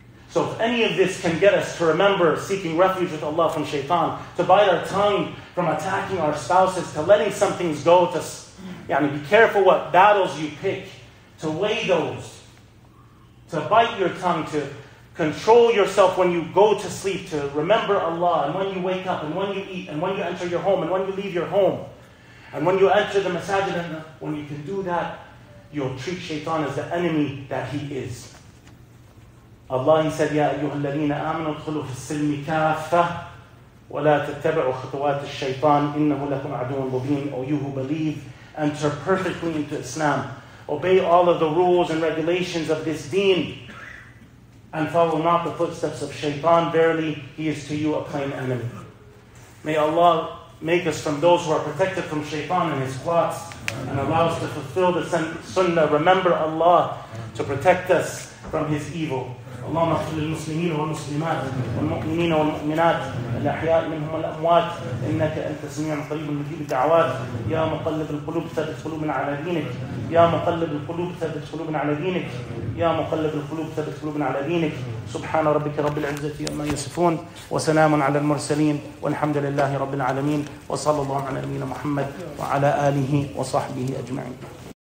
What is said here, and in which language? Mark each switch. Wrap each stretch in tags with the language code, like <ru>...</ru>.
<en>So if any of this can get us to remember seeking refuge with Allah from Shaytan, to bite our tongue from attacking our spouses, to letting some things go, to be careful what battles you pick, to weigh those, to bite your tongue, to control yourself when you go to sleep, to remember Allah, and when you wake up, and when you eat, and when you enter your home, and when you leave your home, and when you enter the masajid, and when you can do that, you'll treat Shaytan as the enemy that he is. Allah, he said,</en> <ar>يَا أَيُّهَا الَّذِينَ آمَنُوا ادْخُلُوا فِي السِّلْمِ كَافَّةً وَلَا تَتَّبِعُوا خُطُوَاتِ الشَّيْطَانِ إِنَّهُ لَكُمْ عَدُوٌّ مُبِينٌ.</ar> <en>O you who believe, enter perfectly into Islam. Obey all of the rules and regulations of this deen, and follow not the footsteps of Shaytan. Verily, he is to you a plain enemy. May Allah make us from those who are protected from Shaytan and his plots, and allow us to fulfill the sunnah. Remember Allah to protect us from his evil.</en> <ar>اللهم اغفر للمسلمين والمسلمات والمؤمنين والمؤمنات الأحياء منهم الأموات إنك أنت سميع قريب مجيب الدعوات يا مقلب القلوب ثبت قلوبنا على دينك يا مقلب القلوب ثبت قلوبنا على دينك يا مقلب القلوب ثبت قلوبنا على دينك سبحان ربك رب العزة عما يصفون وسلام على المرسلين والحمد لله رب العالمين وصلى الله على نبينا محمد وعلى آله وصحبه أجمعين.</ar>